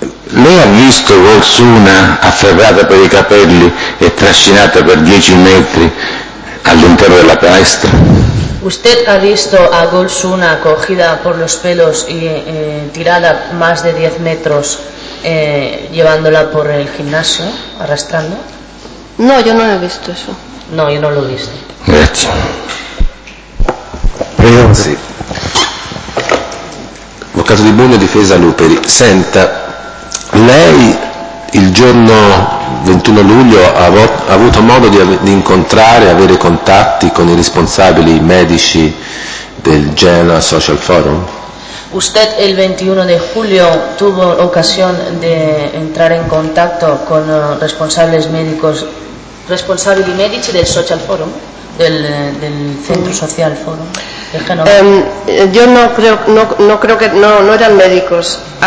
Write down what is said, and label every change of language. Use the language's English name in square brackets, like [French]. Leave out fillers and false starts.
[Italian] Lei ha visto Golsuna afferrata per i capelli e trascinata per 10 metri all'interno della palestra? [Spanish] Usted ha visto a Golsuna cogida por los pelos y tirada más de 10 metros llevándola por el gimnasio, arrastrando? No, yo no he visto eso. No, yo no lo he visto. [Italian] Grazie. Sì. Avvocato Di Bugno, difesa Luperi. Senta, lei il giorno 21 luglio ha avuto modo di incontrare, avere contatti con i responsabili medici del Genoa Social Forum? [Spanish] Usted el 21 de julio tuvo ocasión de entrar en contacto con [Italian] responsabili medici [Spanish] del Social Forum, del Centro Social Forum de Genoa. Yo no creo que eran médicos.